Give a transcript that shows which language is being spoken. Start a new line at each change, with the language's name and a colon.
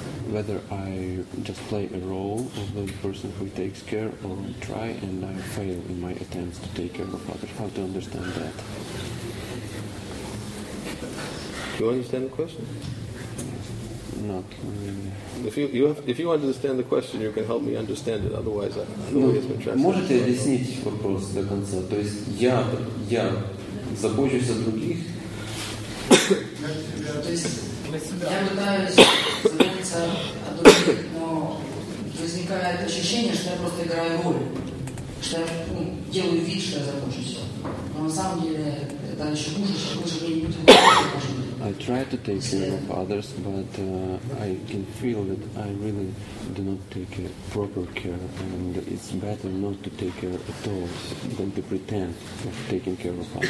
English: Whether I just play a role of the person who takes care, or try and I fail in my attempts to take care of others, how to understand that? Do you understand the question? Not really. If you understand the question, you can help me understand it. Otherwise, I don't know.
Russian: Можете объяснить вопрос до конца? То есть я забочусь о других. Я пытаюсь заботиться о других, но возникает ощущение, что я просто играю роль, что я делаю вид, что я забочусь. Но на самом деле это еще хуже, чем лучше где-нибудь.
English: I try to take care of others, but I can feel that I really do not take proper care, and it's better not to take care at all than to pretend of taking care of others.